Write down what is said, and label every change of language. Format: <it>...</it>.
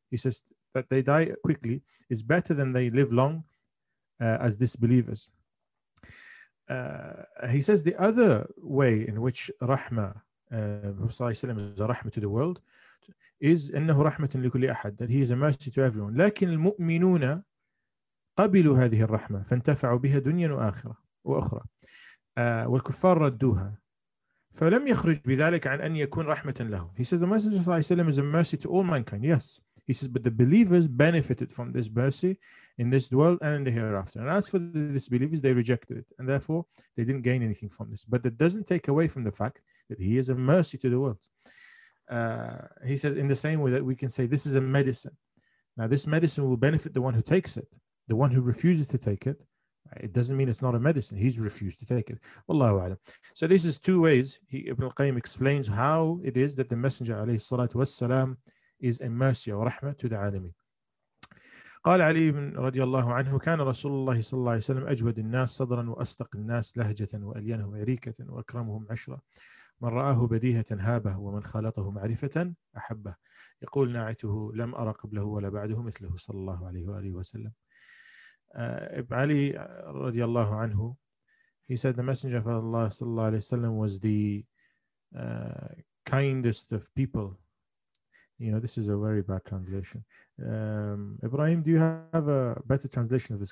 <en>He says that they die quickly is better than they live long as disbelievers. He says the other way in which rahmah, Prophet ﷺ is a rahmah to the world, is</en> <ar>إنه رحمة لكل أحد,</ar> <en>that he is a mercy to everyone.</en> <ar>لكن المؤمنون قبلوا هذه الرحمة فانتفعوا بها دنيا وآخرة وأخرى والكفار ردوها فلم يخرج بذلك عن أن يكون رحمة لهم.</ar> <en>He says the Messenger of Allah ﷺ is a mercy to all mankind. Yes, he says, but the believers benefited from this mercy, in this world and in the hereafter. And as for the disbelievers, they rejected it. And therefore, they didn't gain anything from this. But that doesn't take away from the fact that he is a mercy to the world. He says, in the same way that we can say, this is a medicine. Now, this medicine will benefit the one who takes it. The one who refuses to take it, it doesn't mean it's not a medicine. He's refused to take it. Wallahu a'lam. So this is two ways. Ibn al-Qayyim explains how it is that the Messenger alayhi salatu wassalam is a mercy or rahmah to the alameen.</en> <ar>قال علي رضي الله عنه كان رسول الله صلى الله عليه وسلم أجود الناس صدرا وأصدق الناس لهجة وألينهم عريكة وأكرمهم عشرة من رآه بديهة هابه ومن خالطه معرفة أحبه يقول ناعته لم أرى قبله ولا بعده مثله صلى الله عليه وآله وسلم.</ar> <en>Ibn Ali رضي الله عنه, he said the Messenger of Allah صلى الله عليه وسلم was the kindest of people. You know, this is a very bad translation. Ibrahim, do you have a better translation of this?</en>